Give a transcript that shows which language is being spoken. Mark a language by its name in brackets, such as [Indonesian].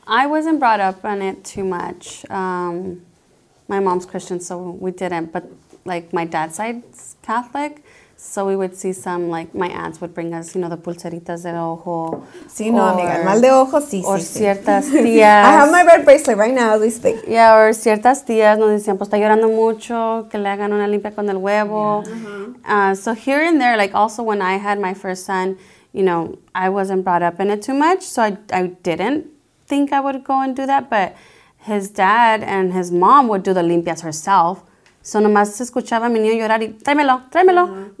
[English] I wasn't brought up on it too much. My mom's Christian, so we didn't. But, like, my dad's side's Catholic. So we would see some, like, my aunts would bring us, you know, the [Spanish] pulseritas del ojo. Sí, no, amiga. Mal de ojo, sí, [English] or [Spanish] sí. Or ciertas tías. [English] I have my red bracelet right now, at least think. Yeah, or [Spanish] ciertas tías nos decían, pues, está llorando mucho, que le hagan una limpia con el huevo. [English] Yeah. Mm-hmm. So here and there, like, also when I had my first son, you know, I wasn't brought up in it too much. So I didn't think I would go and do that. But his dad and his mom would do the limpias herself. [Spanish] So nomás se escuchaba mi niño llorar y tráemelo, tráemelo.